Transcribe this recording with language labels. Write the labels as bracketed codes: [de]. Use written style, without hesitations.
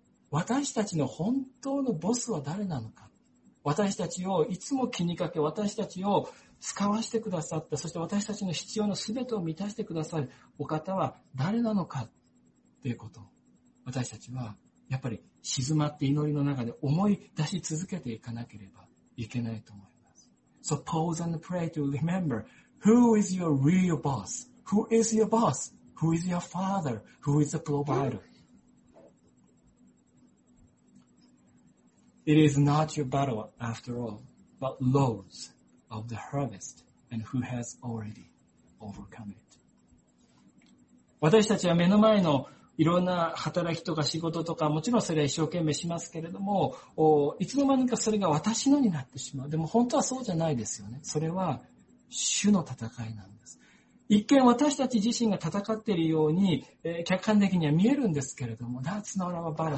[ja] 私たちの本当のボスは誰なのか、私たちをいつも気にかけ、私たちを使わせてくださった、そして私たちの必要のすべてを満たしてくださるお方は誰なのかということ、私たちはやっぱり静まって祈りの中で思い出し続けていかなければいけないと思います。 [en] So pause and pray to remember who is your real boss, who is your boss, who is your father, who is the provider. It is not your battle after all, but Lord's of the harvest and who has already overcome it. [ja] 私たちは目の前のいろんな働きとか仕事とか、もちろんそれは一生懸命しますけれども、いつの間にかそれが私のになってしまう。でも本当はそうじゃないですよね。それは主の戦いなんです。一見私たち自身が戦っているように、客観的には見えるんですけれども、 [en] That's not our battle.